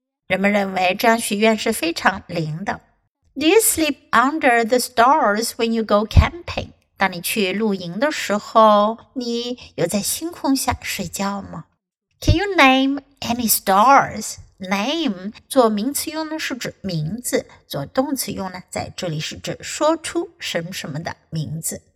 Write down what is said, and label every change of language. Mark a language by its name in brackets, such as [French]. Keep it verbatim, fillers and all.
[Chinese] 人们认为这样许愿是非常灵的。 [English] Do you sleep under the stars when you go camping? [Chinese] 当你去露营的时候，你有在星空下睡觉吗？ [English] Can you name any stars? [Chinese] Name 做名词用呢是指名字，做动词用呢在这里是指说出什么什么的名字。